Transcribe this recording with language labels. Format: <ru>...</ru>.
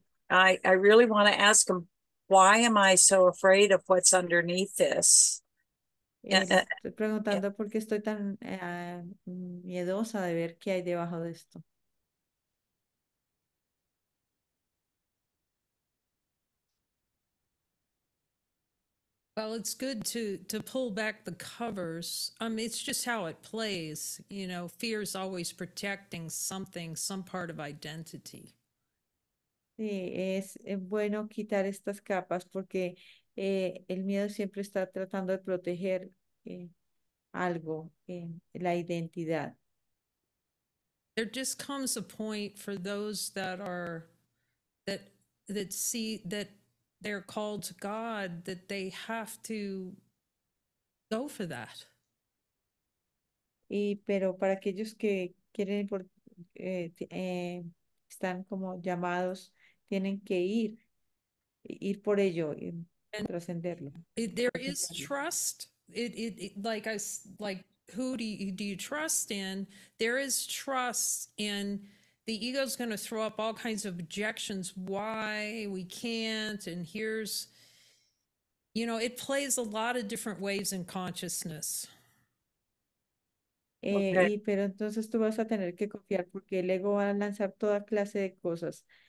<en>I really want to ask him, why am I so afraid of what's underneath this?</en> <es>Estoy preguntando por qué estoy tan miedosa de ver qué hay debajo de esto.</es> <en>Well, it's good to pull back the covers. It's just how it plays. Fear is always protecting something, some part of identity.</en> <es>Sí, es bueno quitar estas capas porque el miedo siempre está tratando de proteger algo, la identidad.</es> <en>there just comes a point for those that are that see that they're called to God, that they have to go for that.</en> <es>Y pero para aquellos que quieren por están como llamados, tienen que ir por ello y trascenderlo.</es> <en>There is trust. Who do you trust in? There is trust, and the ego is going to throw up all kinds of objections. Why we can't? And here's, you know, it plays a lot of different ways in consciousness. Okay.</en> <es>Pero entonces tú vas a tener que confiar porque el ego va a lanzar toda clase de cosas.</es>